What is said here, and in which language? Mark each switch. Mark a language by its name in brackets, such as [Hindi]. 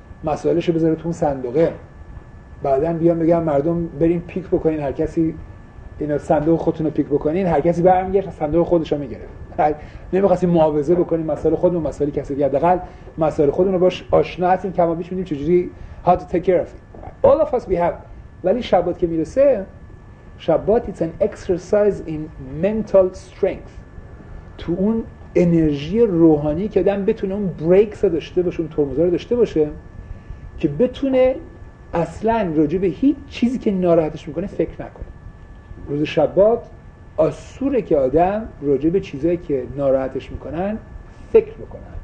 [Persian] مسائلشو بذاره تو اون صندوقه، بعدن بیام بگم مردم برین پیک بکنین، هر کسی اینا صندوق خودتون رو پیک بکنین، هر کسی برمیگرد صندوق خودش رو میگیره. نمیخواستیم معاوضه بکنیم مسئله خودمون، مسئله کسی دیگه، حداقل مسئله خودمون رو باش آشنا هستیم، کما بیش میدیم چجوری [English] how to take care of it. All of us we have. [Persian] ولی شبات که میرسه، شبات [English] it's an exercise in mental strength. [Persian] تو اون انرژی روحانی که آدم بتونه اون بریکس رو داشته باشه، اون ترمز رو داشته باشه که بتونه اصلاً راجع به هیچ چیزی که ناراحتش میکنه فکر نکنه. روز شبات آسوره که آدم راجع به چیزایی که ناراحتش میکنن فکر بکنه.